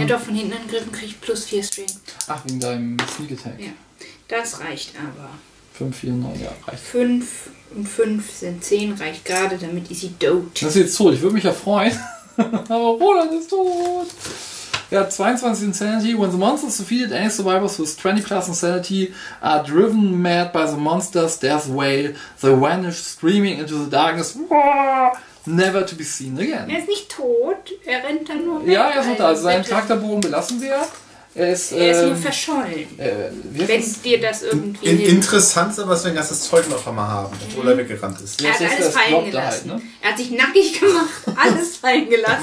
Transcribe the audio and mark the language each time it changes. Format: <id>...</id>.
<de>Ja doch, von hinten angegriffen kriege ich plus 4 Strength. Ach, wegen deinem Sneak Attack. Ja, das reicht aber. 5, 4, 9, ja, reicht. 5 und 5 sind 10, reicht gerade, damit ist sie tot. Das ist jetzt tot, ich würde mich ja freuen. Aber Roland ist tot. Ja, 22 Insanity.</de> <en>When the monsters defeated any survivors with 20 plus Insanity are driven mad by the monster's death wail, they vanish screaming into the darkness. Never to be seen again.</en> <de>Er ist nicht tot, er rennt dann nur weg. Ja, er ist noch da. Also seinen Charakterbogen belassen wir. Er ist nur verschollen. Wenn es dir das irgendwie. Interessant ist aber, dass wir ein ganzes Zeug noch einmal haben, obwohl er weggerannt ist. Er hat alles fallen gelassen. Da halt, ne? Er hat sich nackig gemacht, alles fallen gelassen.</de>